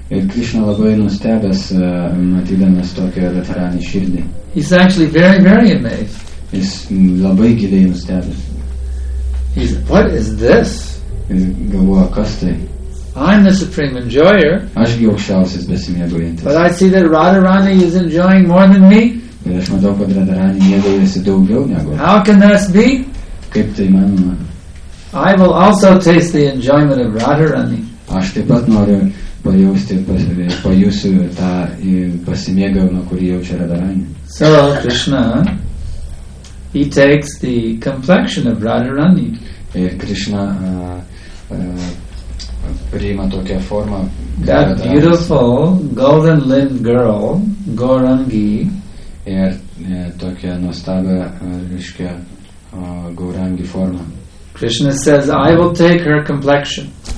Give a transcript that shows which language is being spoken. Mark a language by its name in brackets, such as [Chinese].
[Lithuanian] Ir Krishna labai nustebęs matydamas tokią Radharani širdį. [English] He's actually very, very amazed. [Lithuanian] Jis labai giliai nustebęs. [English] He's, what is this? [Lithuanian] Jis galvoja, kas tai? [English] I'm the supreme enjoyer. [Lithuanian] Aš gi aukščiausias besimėgaujantis. [English] But I see that Radharani is enjoying more than me. [Lithuanian] Ir aš matau, kad Radharani mėgaujasi daugiau negu. [English] How can this be? [Lithuanian] Kaip tai manoma? [English] I will also taste the enjoyment of Radharani. [Lithuanian] Aš taip pat noriu pajausti, pajusiu tą pasimėgavimą, kurį jaučia Radharani. [English] So Krishna, he takes the complexion of Radharani. [Lithuanian] Ir Krishna priima tokią formą. [English] That beautiful golden-limbed girl, Gaurangi. [Lithuanian] Ir tokia nuostabia, reiškia, Gaurangi forma. [English] Krishna says, I will take her complexion.